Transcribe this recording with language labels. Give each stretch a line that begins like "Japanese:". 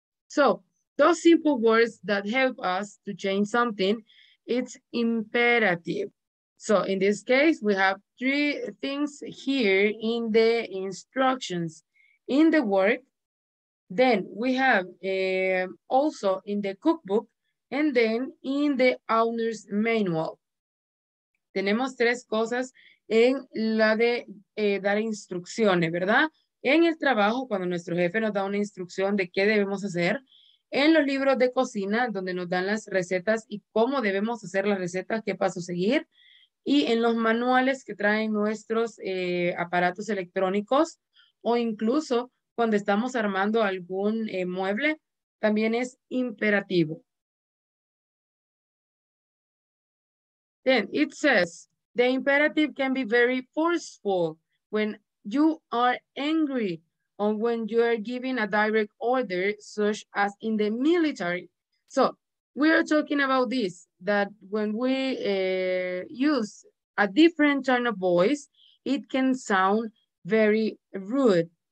English: So those simple words that help us to change something, it's imperative. So in this case, we have three things here in the instructions. In the work, then we have also in the cookbook, and then in the owner's manual.
Spanish: Tenemos tres cosas en la de dar instrucciones, ¿verdad? En el trabajo, cuando nuestro jefe nos da una instrucción de qué debemos hacer. En los libros de cocina, donde nos dan las recetas y cómo debemos hacer las recetas, qué paso seguir. Y en los manuales que traen nuestros aparatos electrónicos, o incluso cuando estamos armando algún mueble, también es imperativo.
English: Then it says, the imperative can be very forceful when you are angry or when you are giving a direct order, such as in the military. So we are talking about this, that when we use a different tone of voice, it can sound very rude.